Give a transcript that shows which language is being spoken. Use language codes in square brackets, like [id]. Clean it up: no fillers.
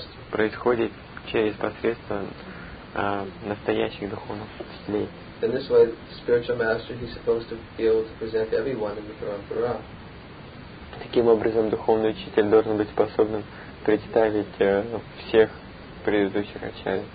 [ru] Происходит через посредство настоящих духовных учителей. [en] In this way, the spiritual master he's supposed to be able to present everyone in the parampara. [ru] Таким образом, духовный учитель должен быть способным представить всех предыдущих ачарий,